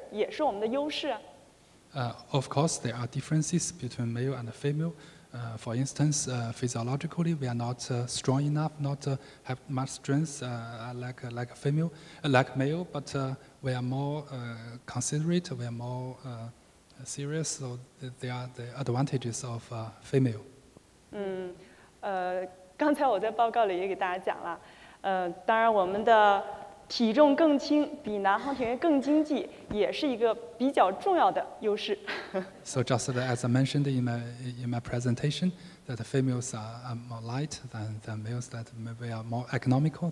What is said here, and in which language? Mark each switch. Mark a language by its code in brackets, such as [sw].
[zh] 比如说在体力方面，我们肯定是不如男性航天员，但是我觉得我们女性特有的认真、细腻、有韧劲儿，也是我们的优势。 [en] Of course, there are differences between male and female. For instance, physiologically, we are not strong enough, not have much strength like male, but we are more considerate, we are more serious. So there are the advantages of female. [zh] 刚才我在报告里也给大家讲了，当然我们的体重更轻，比男航天员更经济，也是一个比较重要的优势。 [en] So just as I mentioned in my presentation, that the females are more light than males, that we are more economical.